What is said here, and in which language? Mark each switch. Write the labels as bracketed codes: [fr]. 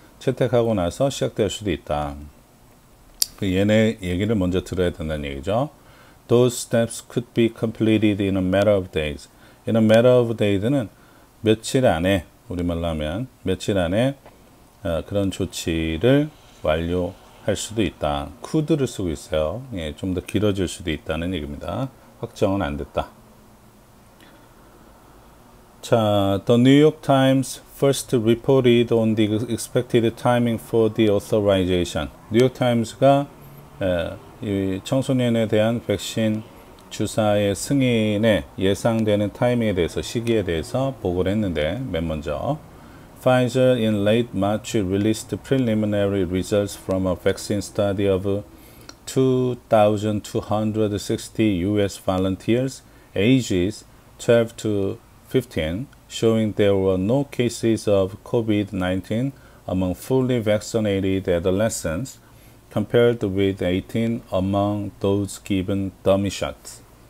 [ko] 채택하고 나서 시작될 수도 있다. 얘네 얘기를 먼저 들어야 된다는 얘기죠. [en] Those steps could be completed in a matter of days. In a matter of days [ko] 는 며칠 안에, 우리말로 하면 며칠 안에 그런 조치를 완료할 수도 있다. could를 쓰고 있어요. 예, 좀더 길어질 수도 있다는 얘기입니다. 확정은 안 됐다. [en] 자, The New York Times first reported on the expected timing for the authorization. [ko] 뉴욕타임스가 이 청소년에 대한 백신 주사의 승인에 예상되는 타이밍에 대해서, 시기에 대해서 보고를 했는데, 맨 먼저. [en] Pfizer in late March released preliminary results from a vaccine study of 2,260 US volunteers ages 12 to 15, showing there were no cases of COVID-19 among fully vaccinated adolescents, compared with 18 among those given dummy shots.